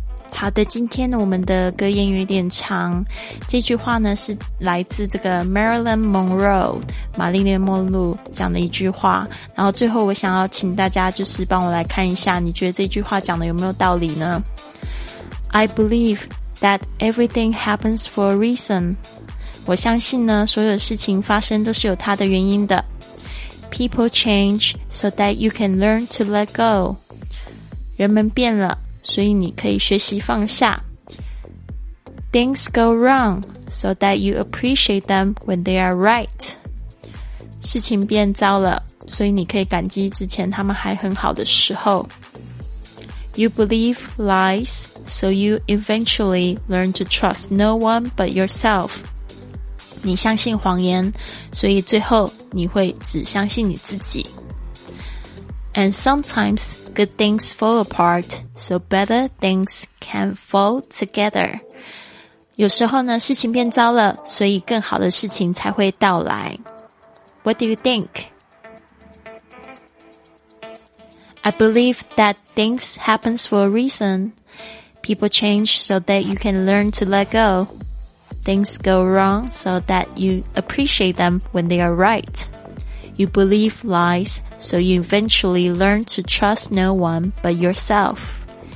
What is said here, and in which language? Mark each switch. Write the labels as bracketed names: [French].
[Chinese] 好的，今天我们的格言有点长，这句话呢是来自这个 Marilyn Monroe 玛丽莲梦露讲的一句话，然后最后我想要请大家就是帮我来看一下，你觉得这句话讲的有没有道理呢？ [English] I believe that everything happens for a reason. [Chinese] 我相信呢所有事情发生都是有它的原因的。 [English] People change so that you can learn to let go. [Chinese] 人们变了，所以你可以学习放下。 [English] Things go wrong so that you appreciate them when they are right. [Chinese] 事情变糟了，所以你可以感激之前他们还很好的时候。 [English] You believe lies so you eventually learn to trust no one but yourself. [Chinese] 你相信谎言，所以最后你会只相信你自己。 [English] And sometimes good things fall apart, so better things can fall together. [Chinese] 有时候呢，事情变糟了，所以更好的事情才会到来。 [English] What do you think? I believe that things happen for a reason. People change so that you can learn to let go. Things go wrong so that you appreciate them when they are right. You believe lies, so you eventually learn to trust no one but yourself.